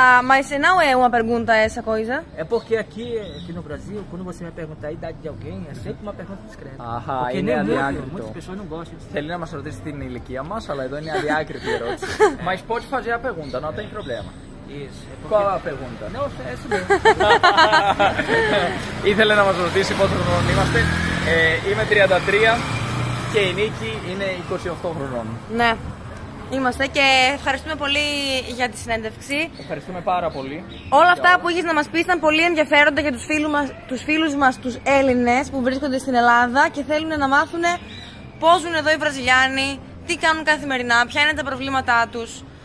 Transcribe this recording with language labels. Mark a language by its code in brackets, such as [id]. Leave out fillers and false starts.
[pt] Mas você não é uma pergunta essa coisa? É porque aqui no Brasil, quando você me pergunta a idade de alguém, é sempre uma pergunta discreta. Aha, porque é adiácrito. Muitas pessoas não gostam disso. [el] Θέλει να μας ρωτήσει την ηλικία μας, αλλά εδώ είναι αδιάκριτη η ερώτηση. [pt] Mas pode fazer a pergunta, não tem problema. Isso, qual a pergunta? Não, é isso mesmo. [el] Ήθελε να μας ρωτήσει πόσο χρονών είμαστε. Είμαι 33 και η Νίκη είναι 28 χρονών. Ναι, είμαστε και ευχαριστούμε πολύ για τη συνέντευξη. Ευχαριστούμε πάρα πολύ. Όλα αυτά που είχες να μας πεις ήταν πολύ ενδιαφέροντα για τους φίλους μας, τους Έλληνες που βρίσκονται στην Ελλάδα και θέλουν να μάθουν πώς ζουν εδώ οι Βραζιλιάνοι, τι κάνουν καθημερινά, ποια είναι τα προβλήματά τους.